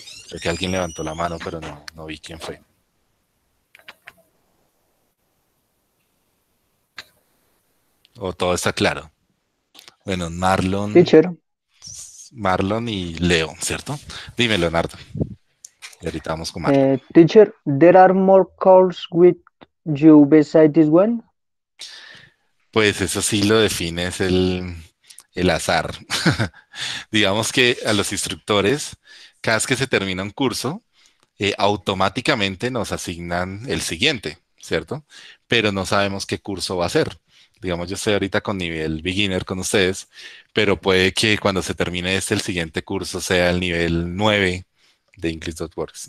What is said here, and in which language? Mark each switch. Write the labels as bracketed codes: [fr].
[es] Creo que alguien levantó la mano, pero no vi quién fue. ¿O todo está claro? Bueno, Marlon. [en] Teacher. [es] Marlon y Leo, ¿cierto? Dime, Leonardo. Y ahorita vamos con Marlon. [en] Teacher, ¿there are more calls with you besides this one? [es] Pues eso sí lo define es el azar. Digamos que a los instructores, cada vez que se termina un curso, automáticamente nos asignan el siguiente, ¿cierto? Pero no sabemos qué curso va a ser. Digamos, yo estoy ahorita con nivel beginner con ustedes, pero puede que cuando se termine este, el siguiente curso sea el nivel 9 de English.Works.